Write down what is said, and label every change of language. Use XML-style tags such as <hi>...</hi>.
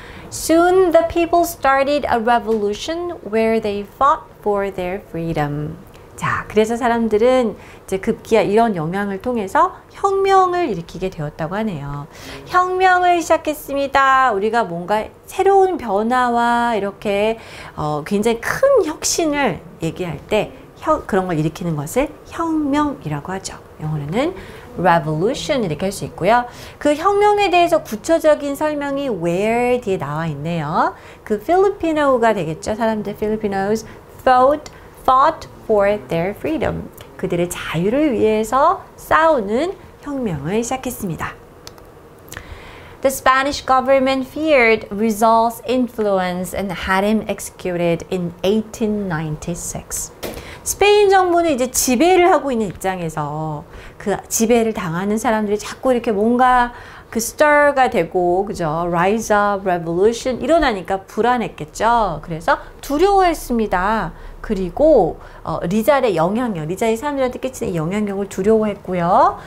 <en>Soon the people started a revolution where they fought for their freedom.</en> <ko>자, 그래서 사람들은 이제 급기야 이런 영향을 통해서 혁명을 일으키게 되었다고 하네요. 혁명을 시작했습니다. 우리가 뭔가 새로운 변화와 이렇게 굉장히 큰 혁신을 얘기할 때 그런 걸 일으키는 것을 혁명이라고 하죠. 영어로는 revolution 이렇게 할 수 있고요. 그 혁명에 대해서 구체적인 설명이 where 뒤에 나와 있네요. 그 필리피노가 되겠죠. 사람들</ko> <en>Filipinos fought for their freedom.</en> <ko>그들의 자유를 위해서 싸우는 혁명을 시작했습니다.</ko> <en>The Spanish government feared Rizal's influence and had him executed in 1896.</en> <ko>스페인 정부는 이제 지배를 하고 있는 입장에서 그 지배를 당하는 사람들이 자꾸 이렇게 뭔가 그 stir가 되고 그죠?</ko> <en>Rise up,</en> <ko>revolution 일어나니까 불안했겠죠. 그래서 두려워했습니다. 그리고 리잘의 영향력, 리잘이 사람들한테 끼치는 영향력을 두려워했고요.</ko>